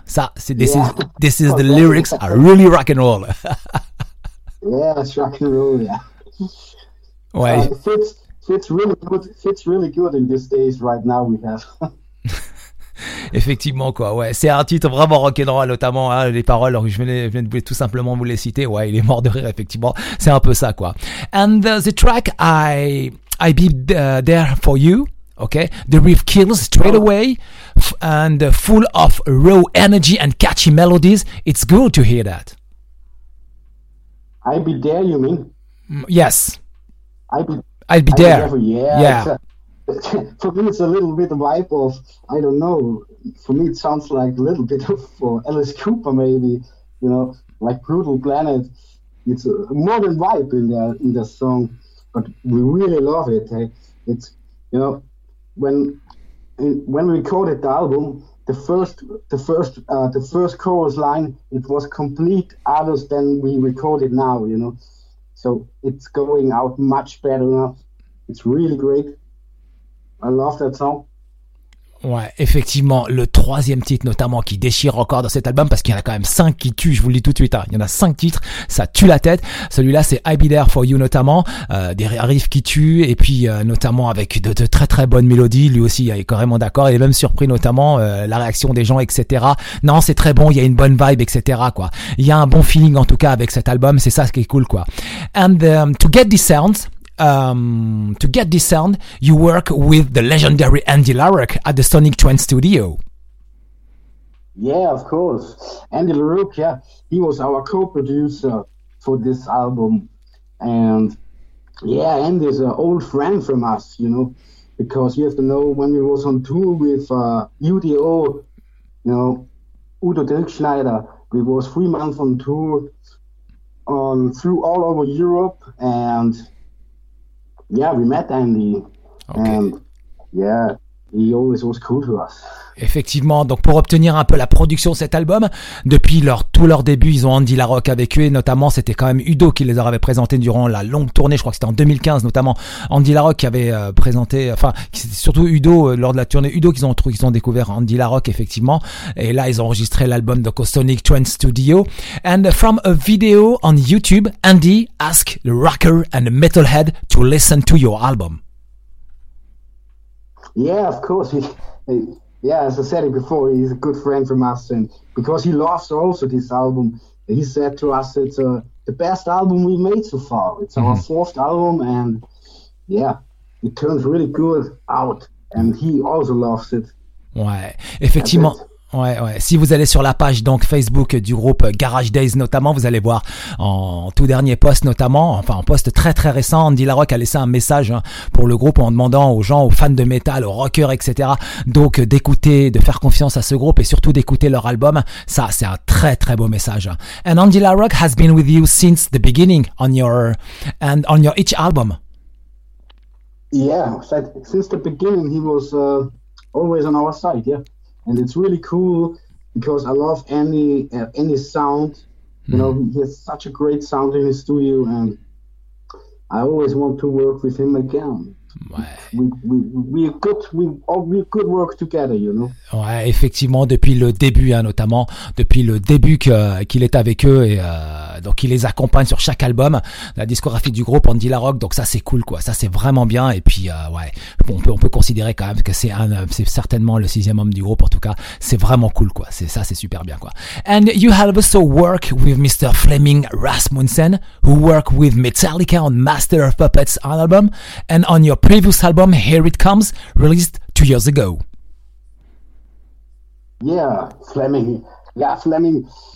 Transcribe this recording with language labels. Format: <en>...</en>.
<fr>Ça, c'est,</fr> <en>this is the lyrics are really rock and roll. Yeah, it's rock and roll. Yeah.</en> <fr>Ouais.</fr> <en>Fits really good in these days right now we have.</en> <fr>Effectivement, quoi. Ouais, c'est un titre vraiment rock'n'roll, notamment hein, les paroles. Alors, je venais tout simplement vous les citer. Ouais, il est mort de rire, effectivement. C'est un peu ça, quoi.</fr> <en>And the track I be there for you. Okay, the riff kills straight away, and full of raw energy and catchy melodies. It's good to hear that. I be there, you mean? Yes. I'll be there. Yeah. For me, it's a little bit vibe of, I don't know, for me it sounds like a little bit of Alice Cooper, maybe, you know, like Brutal Planet. It's more than vibe in the song, but we really love it. It's, you know, when we recorded the album, the first chorus line, it was complete other than we recorded now, you know, so it's going out much better now. It's really great. I love that song.</en> <fr>Ouais, effectivement, le troisième titre notamment qui déchire encore dans cet album, parce qu'il y en a quand même cinq qui tuent, je vous le dis tout de suite, hein. Il y en a cinq titres, ça tue la tête. Celui-là, c'est I Be There For You notamment, des riffs qui tuent, et puis notamment avec de très très bonnes mélodies, lui aussi il est carrément d'accord, il est même surpris notamment la réaction des gens, etc. Non, c'est très bon, il y a une bonne vibe, etc. quoi. Il y a un bon feeling en tout cas avec cet album, c'est ça ce qui est cool, quoi.</fr> <en>And to get this sound, you work with the legendary Andy Larocque at the Sonic Twin Studio. Yeah, of course. Andy Larocque, yeah, he was our co-producer for this album. And yeah, Andy's an old friend from us, you know, because you have to know when we was on tour with UDO, you know, Udo Dirkschneider, we was 3 months on tour through all over Europe, and yeah, we met Andy, and yeah, he always was cool to us.</en> <fr>Effectivement, donc pour obtenir un peu la production de cet album, depuis tout leur début, ils ont Andy Larocque avec eux, et notamment c'était quand même Udo qui les avait présentés durant la longue tournée, je crois que c'était en 2015, notamment Andy Larocque qui avait présenté, enfin c'était surtout Udo lors de la tournée Udo qu'ils ont découvert Andy Larocque, effectivement, et là ils ont enregistré l'album donc au Sonic Twin Studio.</fr> <en>And from a video on YouTube, Andy asked the rocker and the metalhead to listen to your album. Yeah, of course. Yeah, as I said it before, he's a good friend from us, and because he loves also this album, he said to us it's the best album we made so far. It's our fourth album, and yeah, it turns really good out, and he also loves it.</en> <fr>Ouais, effectivement. Ouais, ouais. Si vous allez sur la page donc Facebook du groupe Garage Days notamment, vous allez voir en tout dernier post notamment, enfin en post très très récent, Andy Larocque a laissé un message hein, pour le groupe en demandant aux gens, aux fans de métal, aux rockers, etc. donc d'écouter, de faire confiance à ce groupe et surtout d'écouter leur album. Ça, c'est un très très beau message.</fr> <en>And Andy Larocque has been with you since the beginning on your each album. Yeah, since the beginning he was always on our side, yeah. And it's really cool because I love any sound. You know, he has such a great sound in his studio, and I always want to work with him again. We're good work together, you know.</en> <fr>Ouais, effectivement, depuis le début, hein, notamment depuis le début qu'il est avec eux et donc il les accompagne sur chaque album, la discographie du groupe Andy Larocque. Donc ça, c'est cool, quoi. Ça, c'est vraiment bien. Et puis on peut considérer quand même que c'est certainement le sixième homme du groupe. En tout cas, c'est vraiment cool, quoi. C'est super bien, quoi.</fr> <en>And you have also work with Mr. Fleming Rasmussen, who work with Metallica on Master of Puppets album and on your previous album, Here It Comes, released 2 years ago. Yeah, Fleming. Yeah, Fleming.</en>